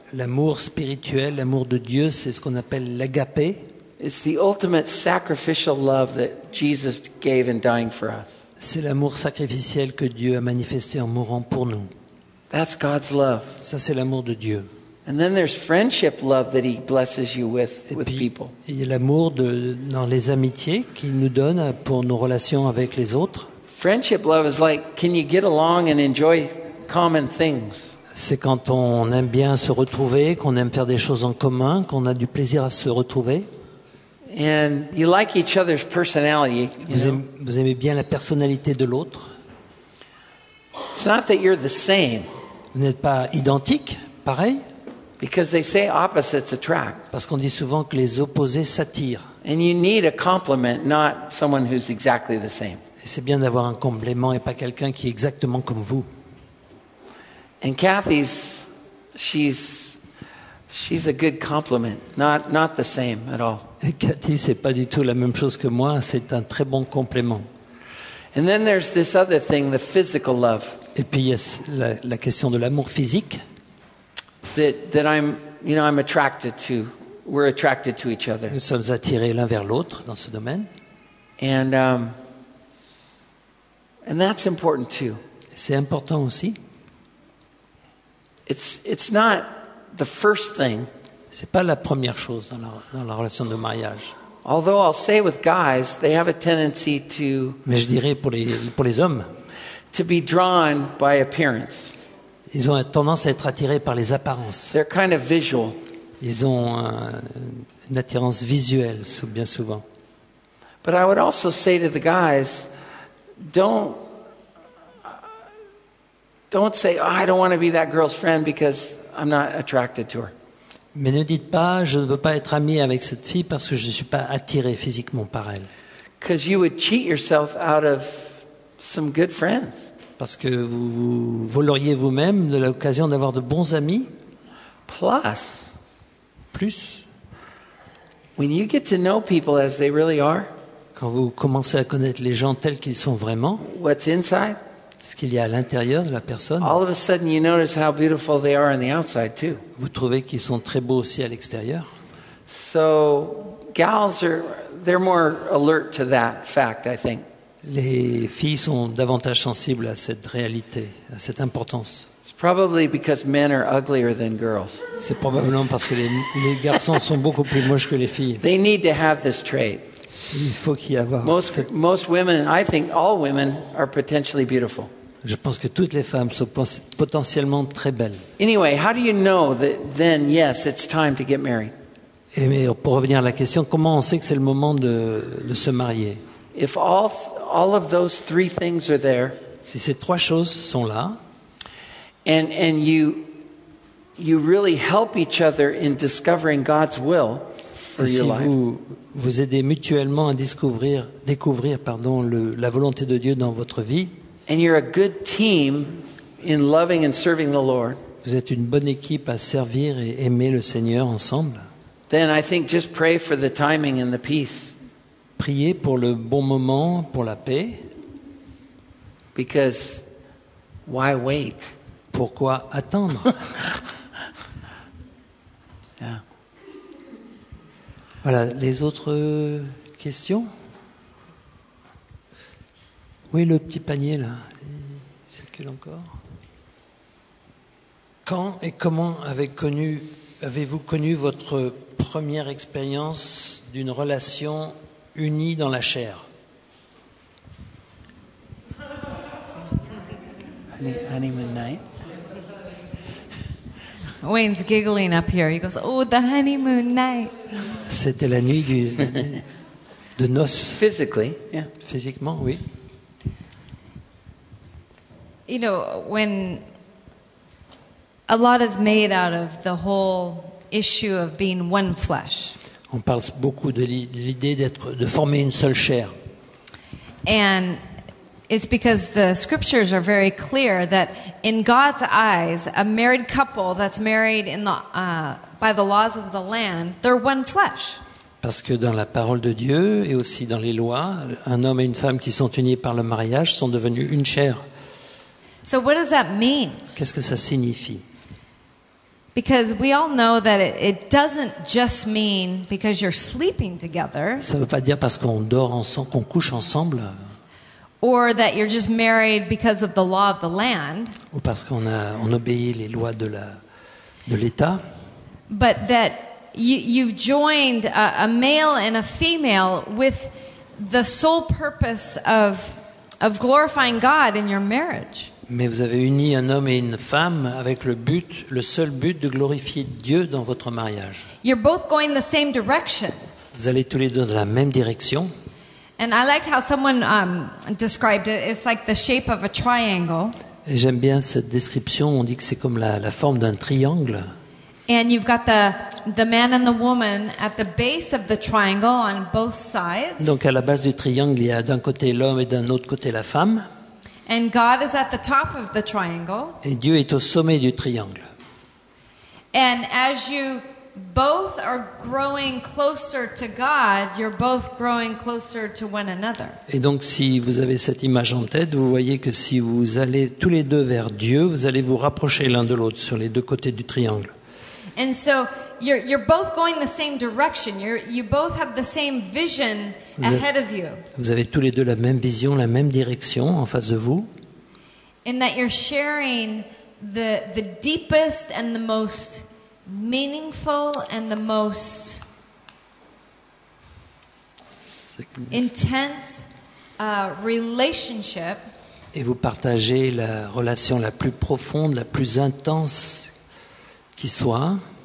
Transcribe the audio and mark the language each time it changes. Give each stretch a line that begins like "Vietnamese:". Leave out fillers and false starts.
French: L'amour spirituel, l'amour de Dieu, c'est ce qu'on appelle l'agapé.
English: It's the ultimate sacrificial love that Jesus gave in dying for us.
French: C'est l'amour sacrificiel que Dieu a manifesté en mourant pour nous.
English: That's God's love.
French: Ça, c'est l'amour de Dieu.
English: And then there's friendship love that He blesses you with people.
French: Et puis, il y a l'amour dans les amitiés qu'il nous donne pour nos relations avec les autres.
English: Friendship love is like, can you get along and enjoy common things?
French: C'est quand on aime bien se retrouver, qu'on aime faire des choses en commun, qu'on a du plaisir à se retrouver.
English: And you like each other's personality,
French: vous aimez bien la personnalité de l'autre.
English: It's not that you're the same.
French: Vous n'êtes pas identique, pareil.
English: Because they say opposites attract.
French: Parce qu'on dit souvent que les opposés s'attirent.
English: And you need a complement, not someone who's exactly the same.
French: Et c'est bien d'avoir un complément et pas quelqu'un qui est exactement comme vous.
English: And Kathy's, she's a good complement, not the same at all.
French: Et Kathy, c'est pas du tout la même chose que moi. C'est un très bon complément.
English: And then there's this other thing, the physical love.
French: Et puis il y a la question de l'amour physique.
English: That I'm, you know, I'm attracted to. We're attracted to each other.
French: Nous sommes attirés l'un vers l'autre dans ce domaine.
English: And that's important too.
French: C'est important aussi.
English: It's not the first thing.
French: C'est pas la première chose dans la relation de mariage.
English: Although I'll say with guys, they have a tendency to.
French: Mais je dirais pour les hommes.
English: To be drawn by appearance.
French: Ils ont tendance à être attirés par les apparences.
English: They're kind of visual.
French: Ils ont une attirance visuelle bien souvent.
English: But I would also say to the guys, don't say, oh, I don't want to be that girl's friend because I'm not attracted to her.
French: Mais ne dites pas, je ne veux pas être ami avec cette fille parce que je ne suis pas attiré physiquement par elle.
English: Because you would cheat yourself out of some good friends.
French: Parce que vous voleriez vous-même de l'occasion d'avoir de bons amis.
English: Plus. When you get to know people as they really are.
French: Quand vous commencez à connaître les gens tels qu'ils sont vraiment.
English: What's inside?
French: Ce qu'il y a à l'intérieur de la personne.
English: All of a sudden you notice how beautiful they are on the outside too.
French: Vous trouvez qu'ils sont très beaux aussi à l'extérieur.
English: So gals they're more alert to that fact, I think.
French: Les filles sont davantage sensibles à cette réalité, à cette importance.
English: It's probably because men are uglier than girls.
French: C'est probablement parce que les garçons sont beaucoup plus moches que les filles.
English: They need to have this trait.
French: Il faut qu'il y ait.
English: Most women, I think all women are potentially beautiful.
French: Je pense que toutes les femmes sont potentiellement très belles.
English: Anyway, how do you know that then yes, it's time to get married?
French: Et pour revenir à la question, comment on sait que c'est le moment de se marier?
English: If all of those three things are there,
French: si ces trois choses sont là,
English: and you really help each other in discovering God's will for
French: si
English: your life,
French: vous aidez mutuellement à découvrir la volonté de Dieu dans votre vie,
English: and you're a good team in loving and serving the Lord,
French: vous êtes une bonne équipe à servir et aimer le Seigneur ensemble,
English: then I think just pray for the timing and the peace.
French: Priez pour le bon moment, pour la paix.
English: Because why wait?
French: Pourquoi attendre?
English: Yeah.
French: Voilà, les autres questions? Oui, le petit panier là, il circule encore. Quand et comment avez-vous connu votre première expérience d'une relation unie dans la chair.
English: Honeymoon night. Wayne's giggling up here. He goes, "Oh, the honeymoon night."
French: C'était la nuit de noces.
English: Physically, yeah.
French: Physiquement, oui.
English: You know, when a lot is made out of the whole issue of being one flesh.
French: On parle beaucoup de l'idée d'être, de former une seule chair.
English: And it's because the scriptures are very clear that in God's eyes, a married couple that's married in the, by the laws of the land, they're one flesh.
French: Parce que dans la parole de Dieu et aussi dans les lois, un homme et une femme qui sont unis par le mariage sont devenus une chair.
English: So what does that mean?
French: Qu'est-ce que ça signifie?
English: Because we all know that it doesn't just mean because you're sleeping together.
French: Ça veut pas dire parce qu'on dort ensemble, qu'on couche ensemble.
English: Or that you're just married because of the law of the land.
French: Ou parce qu'on a, on obéit les lois de la, de l'État.
English: But that you've joined a male and a female with the sole purpose of glorifying God in your marriage.
French: Mais vous avez uni un homme et une femme avec le but, le seul but de glorifier Dieu dans votre mariage.
English: You're both going the same direction.
French: Vous allez tous les deux dans la même direction.
English: And I liked how someone described it. It's like the shape of a triangle.
French: Et j'aime bien cette description. On dit que c'est comme la forme d'un triangle.
English: And you've got the man and the woman at the base of the triangle on both sides.
French: Donc à la base du triangle, il y a d'un côté l'homme et d'un autre côté la femme.
English: And God is at the top of the triangle.
French: Et Dieu est au sommet du triangle.
English: And as you both are growing closer to God, you're both growing closer to one another.
French: Et donc si vous avez cette image en tête, vous voyez que si vous allez tous les deux vers Dieu, vous allez vous rapprocher l'un de l'autre sur les deux côtés du triangle.
English: And so you're both going the same direction. You both have the same vision ahead of you.
French: Vous avez tous les deux la même vision, la même direction en face de vous.
English: In that you're sharing the deepest and the most meaningful and the most intense relationship.
French: Et vous partagez la relation la plus profonde, la plus intense qui soit.